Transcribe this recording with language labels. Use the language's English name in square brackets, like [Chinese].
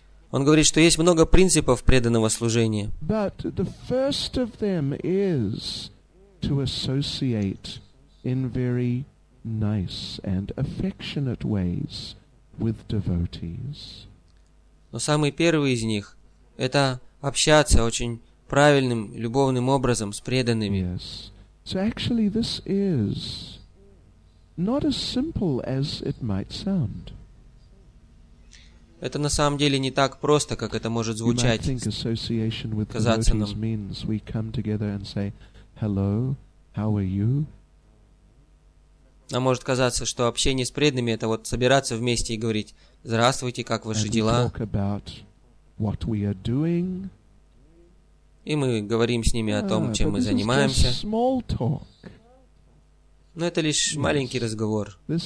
[Russian] Он говорит, что есть много принципов преданного служения. [English] But the first of them is to associate in very nice and affectionate ways with devotees. [Russian] Но самый первый из них — это общаться очень правильным, любовным образом с преданными. [English] Yes. So actually this is not as simple as it might sound. [Russian] Это на самом деле не так просто, как это может звучать, [English] association with devotees means we come together and say, hello, how are you? [Russian] Нам может казаться, что общение с преданными — это вот собираться вместе и говорить: «Здравствуйте, как ваши дела?» [English] Doing, [Russian] И мы говорим с ними о том, чем мы занимаемся. Но это лишь маленький разговор.